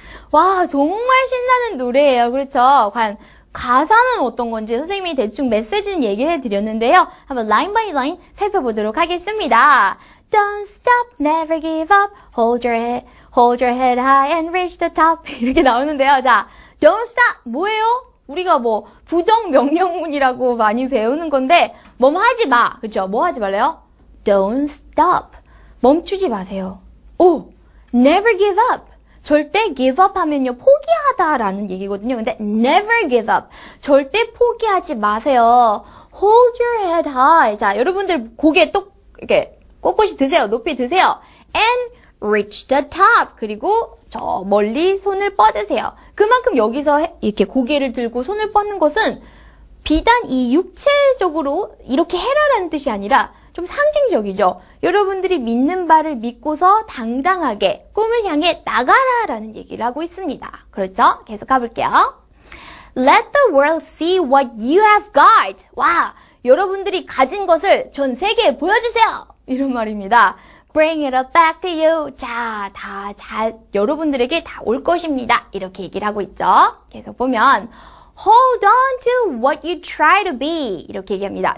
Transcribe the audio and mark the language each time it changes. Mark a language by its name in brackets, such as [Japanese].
[Korean] 와, 정말 신나는 노래예요. 그렇죠? 과연 가사는 어떤 건지 선생님이 대충 메시지는 얘기를 해드렸는데요. 한번 라인 바이 라인 살펴보도록 하겠습니다. [English] Don't stop, never give up, hold your head high and reach the top. [Korean] 이렇게 나오는데요. 자, [English] Don't stop, [Korean] 뭐예요? 우리가 뭐, 부정 명령문이라고 많이 배우는 건데, 뭐뭐 하지 마. 그렇죠? 뭐 하지 말래요? [English] Don't stop. [Korean] 멈추지 마세요. 오, [English] never give up. [Korean] 절대 give up 하면요, 포기하다라는 얘기거든요. 근데 [English] never give up. [Korean] 절대 포기하지 마세요. [English] Hold your head high. [Korean] 자, 여러분들 고개 똑, 이렇게, 꼿꼿이 드세요. 높이 드세요. [English] And reach the top. [Korean] 그리고 저 멀리 손을 뻗으세요. 그만큼 여기서 이렇게 고개를 들고 손을 뻗는 것은 비단 이 육체적으로 이렇게 해라라는 뜻이 아니라 좀 상징적이죠. 여러분들이 믿는 바를 믿고서 당당하게 꿈을 향해 나가라라는 얘기를 하고 있습니다. 그렇죠? 계속 가볼게요. [English] Let the world see what you have got. [Korean] 와, 여러분들이 가진 것을 전 세계에 보여주세요. 이런 말입니다. [English] Bring it up back to you. [Korean] 자, 다잘 여러분들에게 다올 것입니다. 이렇게 얘기를 하고 있죠. 계속 보면 [English] Hold on to what you try to be. [Korean] 이렇게 얘기합니다.